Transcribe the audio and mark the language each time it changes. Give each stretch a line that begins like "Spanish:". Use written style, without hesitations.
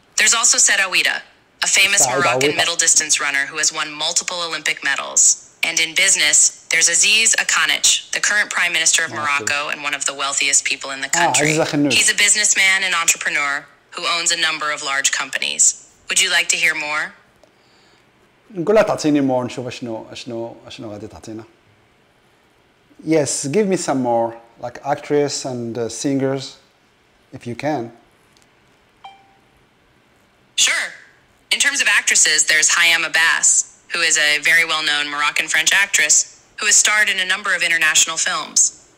English: There's also Said Aouida, a famous Moroccan middle distance runner who has won multiple Olympic medals. And in business, there's Aziz Akhannouch, the current prime minister of Morocco and one of the wealthiest people in the country. He's a businessman and entrepreneur who owns a number of large companies. Would you like to hear more?
Arabic: نقولها تعطيني more نشوف شنو غادي تعطينا.
English: Yes, give me some more, like actress and singers, if you can. Sure, terms of actresses, there's Hayam Abbas, who is a very well-known Moroccan-French actress who has starred in a number of international films.